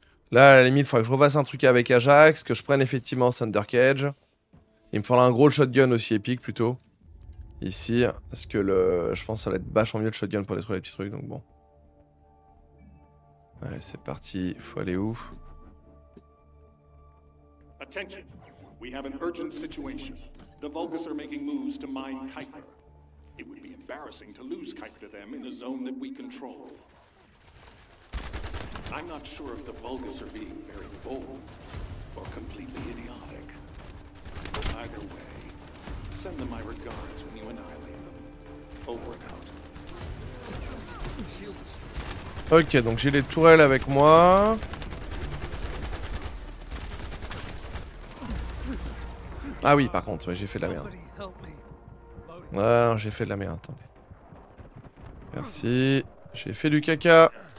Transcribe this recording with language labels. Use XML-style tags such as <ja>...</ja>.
<fr>Là, à la limite, il faudrait que je refasse un truc avec Ajax, que je prenne effectivement Thunder Cage. Il me faudra un gros shotgun aussi épique, plutôt. Ici, parce que le, je pense que ça va être vachement mieux le shotgun pour détruire les petits trucs, donc bon. Ouais, c'est parti, faut aller où?</fr> <en>Attention, we have an urgent situation. The Vulgus are making moves to mine Kuiper. It would be embarrassing to lose Kuiper to them in a zone that we control. I'm not sure if the Vulgus are being very bold or completely idiotic. Either way, send them my regards when you annihilate them. Over and out.</en> <fr>Ok, donc j'ai les tourelles avec moi. Ah oui, par contre, ouais, j'ai fait de la merde. Ah, j'ai fait de la merde, attendez. Merci. J'ai fait du caca.</fr>